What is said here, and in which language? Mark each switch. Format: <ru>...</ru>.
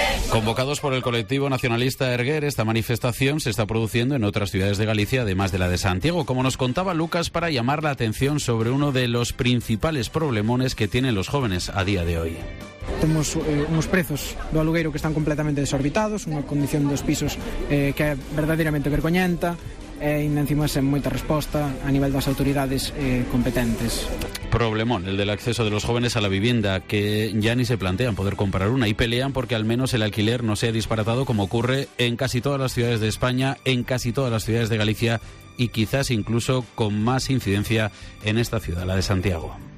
<es>Convocados por el colectivo nacionalista Erguer, esta manifestación se está produciendo en otras ciudades de Galicia, además de la de Santiago, como nos contaba Lucas, para llamar la atención sobre uno de los principales problemones que tienen los jóvenes a día de hoy.</es> <gl>Temos uns prezos do alugueiro que están completamente desorbitados, unha condición dos pisos que é verdadeiramente vergoñenta, e ainda encima sen moita resposta a nivel das autoridades competentes.</gl> <es>Problemón, el del acceso de los jóvenes a la vivienda, que ya ni se plantean poder comprar una y pelean porque al menos el alquiler no sea disparatado como ocurre en casi todas las ciudades de España, en casi todas las ciudades de Galicia y quizás incluso con más incidencia en esta ciudad, la de Santiago.</es>